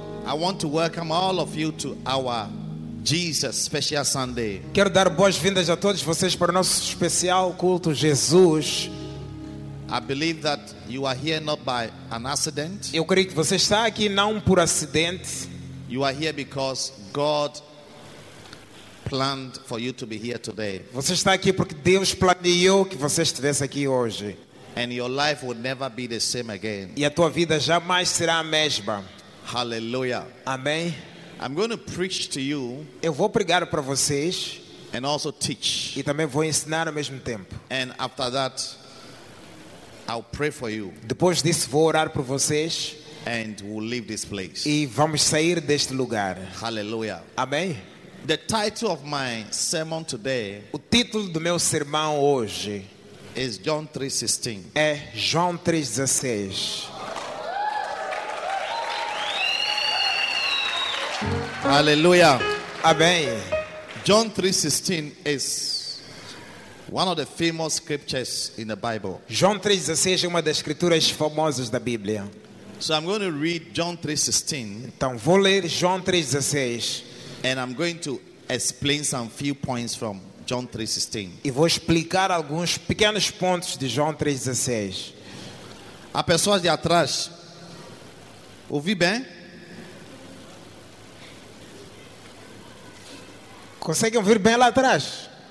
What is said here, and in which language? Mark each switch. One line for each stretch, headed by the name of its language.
English: I want to welcome all of you to our Jesus special Sunday.
Portuguese: Quero dar boas-vindas a todos vocês para o nosso especial culto Jesus.
English: I believe that you are here not by an accident.
Portuguese: Eu creio que você está aqui não por acidente.
English: You are here because God planned for you to be here today.
Portuguese: Você está aqui porque Deus planejou que você estivesse aqui hoje.
English: And your life will never be the same again.
Portuguese: E a tua vida jamais será a mesma.
English: Hallelujah.
Portuguese: Amém.
English: I'm going to preach to you.
Portuguese: Eu vou pregar para vocês.
English: And also teach.
Portuguese: E também vou ensinar ao mesmo tempo.
English: And after that, I'll pray for you.
Portuguese: Depois disso vou orar por vocês.
English: And we'll leave this place.
Portuguese: E vamos sair deste lugar.
English: Hallelujah.
Portuguese: Amém.
English: The title of my sermon today.
Portuguese: O título do meu sermão hoje
English: is John 3:16.
Portuguese: É João 3:16.
English: Hallelujah.
Portuguese: Amém.
English: John 3:16 is one of the famous scriptures in the Bible.
Portuguese: João 3:16 é uma das escrituras famosas da Bíblia.
English: So I'm going to read John 3:16.
Portuguese: Então vou ler João 3:16.
English: And I'm going to explain some few points from John 3:16.
Portuguese: E vou explicar alguns pequenos pontos de João 3:16. A pessoa de atrás, ouvi bem? Conseguem ouvir bem lá atrás?